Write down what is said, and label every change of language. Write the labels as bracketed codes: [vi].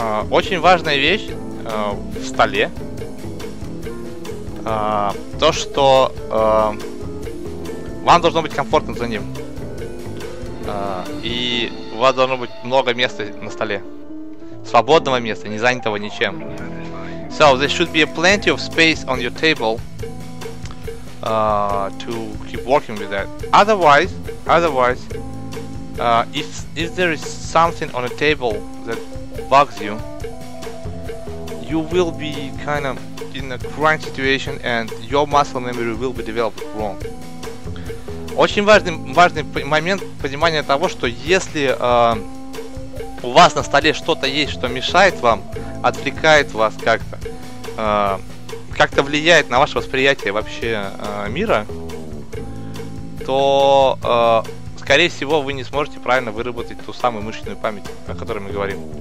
[ru] Очень важная вещь в столе, то, что вам должно быть комфортно за ним, и у вас должно быть много места на столе. Свободного места, не занятого ничем. [en] So there should be plenty of space on your table to keep working with that. Otherwise, if there is something on a table that bugs you, you will be kind of in a crunch situation and your muscle memory will be developed wrong. [ru] Очень важный момент понимания того, что если у вас на столе что-то есть, что мешает вам, отвлекает вас как-то, как-то влияет на ваше восприятие вообще мира, то, скорее всего, вы не сможете правильно выработать ту самую мышечную память, о которой мы говорим.